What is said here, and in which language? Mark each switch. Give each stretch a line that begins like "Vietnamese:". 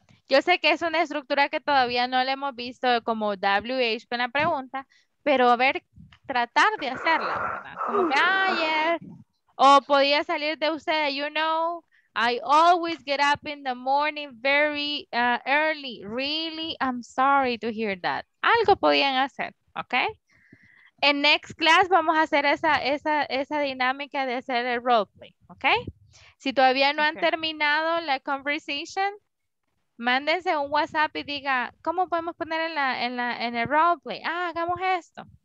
Spanish: Yo sé que es una estructura que todavía no le hemos visto como WH con la pregunta, pero a ver, tratar de hacerla, ¿verdad? Como que, ah, yes. O podría salir de usted,
English: you know. I always get up in the morning very early. Really, I'm sorry to hear that.
Spanish: Algo podían hacer,
English: ¿ok?
Spanish: En next class vamos a hacer esa dinámica de hacer el roleplay, ¿ok? Si todavía no han terminado la conversation, mándense un WhatsApp y diga, ¿cómo podemos poner en el roleplay? Ah, hagamos esto.